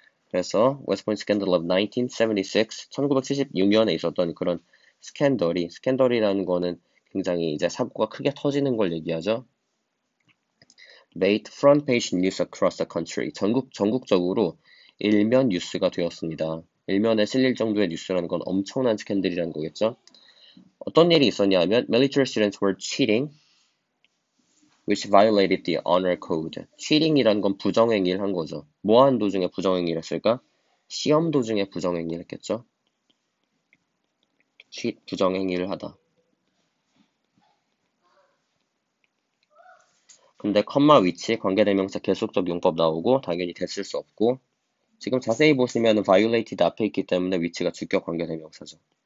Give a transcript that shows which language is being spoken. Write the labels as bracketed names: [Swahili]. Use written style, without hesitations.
[Korean] 그래서 West Point Scandal of 1976, 1976년에 있었던 그런 스캔들이라는 거는 굉장히 이제 사고가 크게 터지는 걸 얘기하죠. [English] Made front page news across the country. [Korean] 전국적으로 일면 뉴스가 되었습니다. 일면에 실릴 정도의 뉴스라는 건 엄청난 스캔들이라는 거겠죠. 어떤 일이 있었냐면, [English] military students were cheating, which violated the honor code. [Korean] cheating이란 건 부정행위를 한 거죠. 뭐한 도중에 부정행위를 했을까? 시험 도중에 부정행위를 했겠죠? cheat, 부정행위를 하다. 근데, 컴마 위치, 관계대명사 계속적 용법 나오고, 당연히 됐을 수 없고, 지금 자세히 보시면, violated 앞에 있기 때문에 위치가 주격 관계대명사죠.